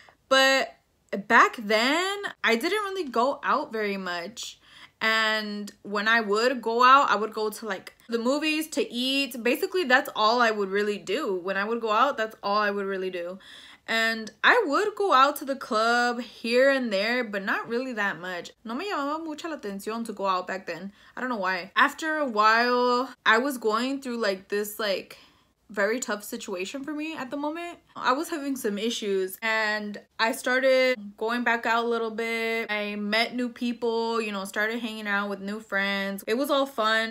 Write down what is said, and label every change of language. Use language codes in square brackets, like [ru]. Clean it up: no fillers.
[en] But back then, I didn't really go out very much. And when I would go out, I would go to like the movies to eat. Basically, that's all I would really do. When I would go out, that's all I would really do. And I would go out to the club here and there, but not really that much. [es] No me llamaba mucha la atención [en] to go out back then. I don't know why. After a while, I was going through like this like very tough situation for me at the moment. I was having some issues and I started going back out a little bit. I met new people, you know, started hanging out with new friends. It was all fun.